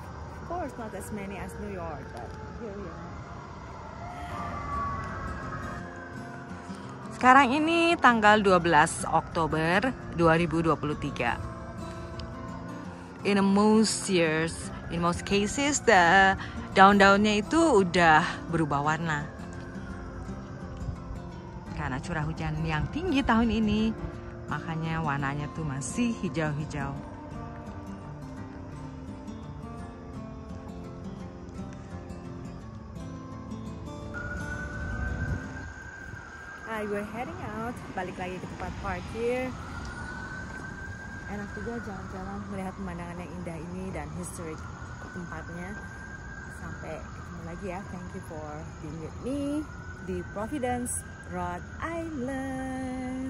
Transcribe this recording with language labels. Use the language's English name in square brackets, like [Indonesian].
[English] Of course not as many as New York, but here we are. [Indonesian] Sekarang ini tanggal 12 Oktober 2023. [English] In most cases, the [Indonesian] daun-daunnya itu udah berubah warna. Karena curah hujan yang tinggi tahun ini, makanya warnanya tuh masih hijau-hijau. [English] Hi, we're heading out, [Indonesian] balik lagi ke tempat parkir. Enak juga jalan-jalan melihat pemandangan yang indah ini dan historic tempatnya. Sampai ketemu lagi ya. [English] Thank you for being with me di Providence, Rhode Island.